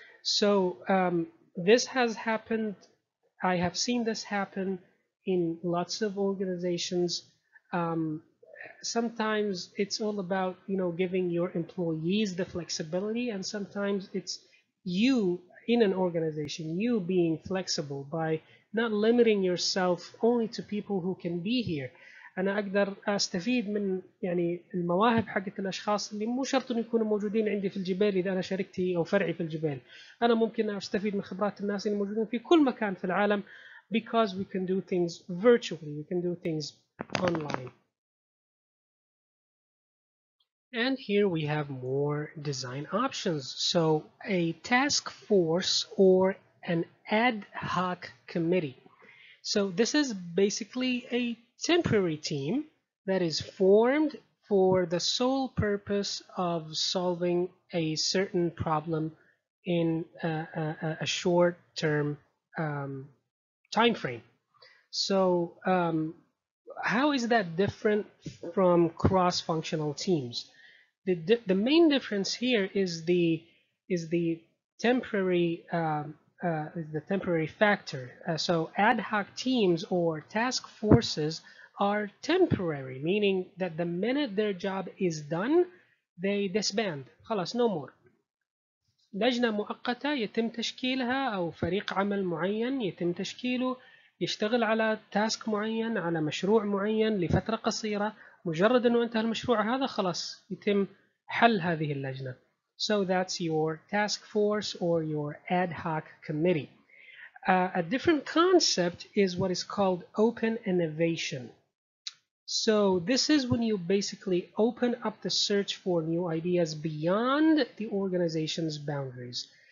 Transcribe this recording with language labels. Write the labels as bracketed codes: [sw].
[en] So this has happened. I have seen this happen in lots of organizations. Sometimes it's all about, you know, giving your employees the flexibility, and sometimes it's you in an organization, you being flexible by not limiting yourself only to people who can be here. [ar] أنا أقدر أستفيد من يعني المواهب حقت الأشخاص اللي مو شرط إنه يكونوا موجودين عندي في الجبال إذا أنا شركتي أو فرعي في الجبال. أنا ممكن أستفيد من خبرات الناس اللي موجودين في كل مكان في العالم [en] because we can do things virtually, we can do things online. And here we have more design options. So a task force or an ad hoc committee. So this is basically a temporary team that is formed for the sole purpose of solving a certain problem in a short-term time frame. So how is that different from cross-functional teams? The main difference here is the temporary the temporary factor. So ad hoc teams or task forces are temporary, meaning that the minute their job is done, they disband. خلاص, no more. [ar] لجنة مؤقتة يتم تشكيلها أو فريق عمل معين يتم تشكيله يشتغل على تاسك معين على مشروع معين لفترة قصيرة. مجرد أنه انتهى المشروع هذا خلاص يتم حل هذه اللجنة. [en] So that's your task force or your ad hoc committee. A different concept is what is called open innovation. So this is when you basically open up the search for new ideas beyond the organization's boundaries.